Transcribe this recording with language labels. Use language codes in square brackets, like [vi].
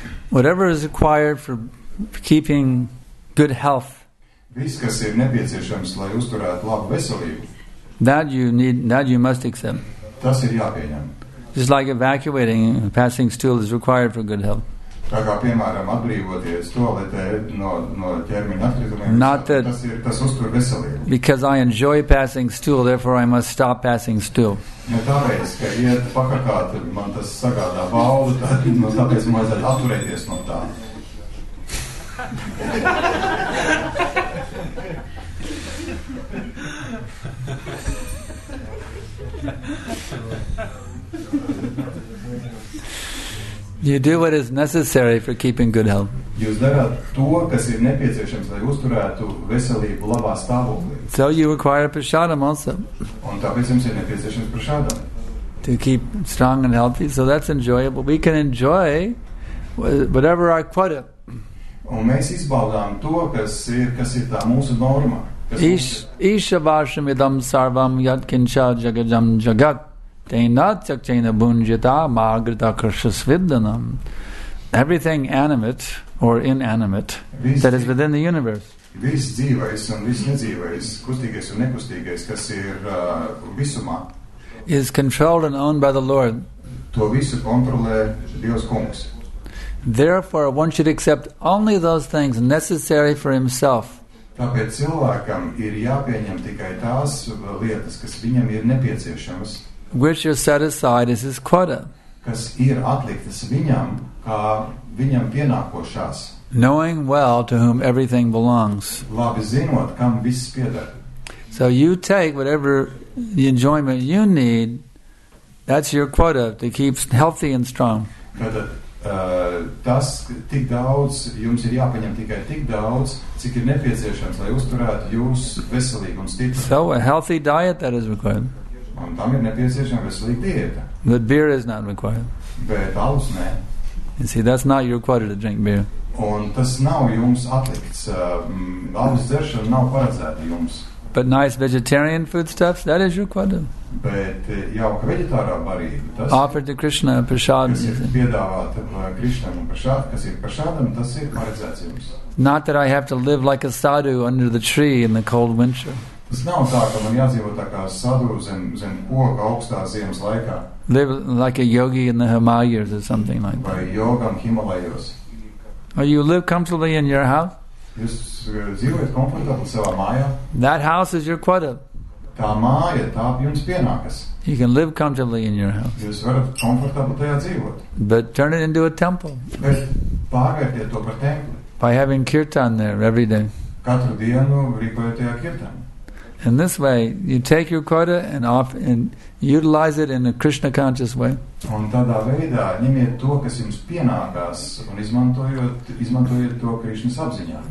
[en] Whatever is required for keeping good health, [lv] viskas ir nepieciešams, lai uzturētu labu veselību. [en] That you must accept. [lv] Tas ir jāpieņem. [en] Just like evacuating, passing stool is required for good health. [lv] tā kā piemēram atbrīvoties tualetē no ķermeņa atkritumiem. Tas uztur veselību. [en] Because I enjoy passing stool, therefore I must stop passing stool. [lv] Nu, tāpēc, ka iet pakakāt, man tas sagādā baudu, tad, no, tāpēc man vajadzētu atturēties no tā. [en] You do what is necessary for keeping good health. [lv] Jūs darāt to, kas ir nepieciešams, lai uzturētu veselību labā stāvoklī. [en] So you require prasādam also. [lv] Un tāpēc jums ir nepieciešams prasādam. [en] To keep strong and healthy, so that's enjoyable. We can enjoy whatever our quota. [lv] Un mēs izbaudām to, kas ir tā mūsu norma. [sa] Īša vāršam idam sarvam jatkinšā jagajam jagat. [en] Everything animate or inanimate that is within the universe. [lv] Viss dzīvais un viss nedzīvais, kustīgais un nekustīgais, kas ir visumā, [en] is controlled and owned by the Lord. [lv] To visu kontrolē Dievs Kungs. [en] Therefore, one should accept only those things necessary for himself. [lv] Tāpēc cilvēkam ir jāpieņem tikai tās lietas, kas viņam ir nepieciešamas. [en] Which are set aside as his quota. [lv] Kas ir atliktas viņam, kā viņam pienākošās. [en] Knowing well to whom everything belongs. [lv] Labi zinot, kam viss pieder. [en] So you take whatever the enjoyment you need, that's your quota to keep healthy and strong. [lv] Tātad, tas tik daudz, jums ir jāpaņem tikai tik daudz, cik ir nepieciešams, lai uzturētu jūs veselīgu un stipru. [en] So a healthy diet that is required. [lv] Un tam ir nepieciešama veselīga dieta. [en] But beer is not required. [lv] Bet alus nē. [en] You see, that's not your quota to drink beer. [lv] Un tas nav jums atlikts. Alus dzeršana nav paredzēta jums. [en] But nice vegetarian foodstuffs, that is your quota. [lv] Bet jauka vegetārā barība, tas [en] offered to Krishna prasādam. [lv] Kas ir piedāvāta Krishnam un prasādam, kas ir prasādam, tas ir paredzēts jums. [en] Not that I have to live like a sadhu under the tree in the cold winter. [lv] Tas nav tā, ka man jādzīvo tā kā sadu zem koka augstā ziemas laikā. [en] Live like a yogi in the Himalayas or something like that. [lv] Vai jogam Himalayos. [en] Or you live comfortably in your house? [lv] Jūs dzīvojat komfortabli savā mājā? [en] That house is your quota. [lv] Tā māja, tā jums pienākas. [en] You can live comfortably in your house. [lv] Jūs varat komfortabli tajā dzīvot. [en] But turn it into a temple. [lv] Bet pārvērtiet to par templi. [en] By having kirtan there every day. [lv] Katru dienu rīkojot tajā kirtan. [en] In this way, you take your quota and utilize it in a Krishna conscious way. [lv] Un tādā veidā ņemiet to, kas jums pienākās, un izmantojot to Krishnas apziņā.